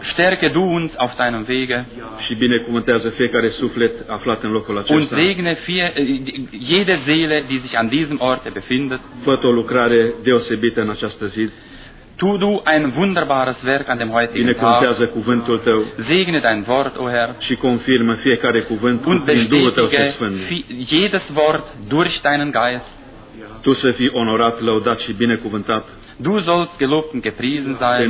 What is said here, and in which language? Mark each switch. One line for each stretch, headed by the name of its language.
German: Stärke du uns auf deinem Wege.
Romanian: Și binecuvântează fiecare suflet aflat în locul acesta.
German: Und segne jede Seele, die sich an diesem Ort befindet.
Romanian: Fă-te o lucrare deosebită în această zi.
German: Tu du ein wunderbares Werk an dem heutigen Tag.
Romanian: Binecuvântează cuvântul tău.
German: Segne dein Wort, o Herr.
Romanian: Și confirmă fiecare cuvânt prin Duhul tău cel sfânt.
German: Jedes Wort durch deinen Geist.
Romanian: Tu să fii onorat, lăudat și binecuvântat.
German: Du sollst gelobt und gepriesen sein.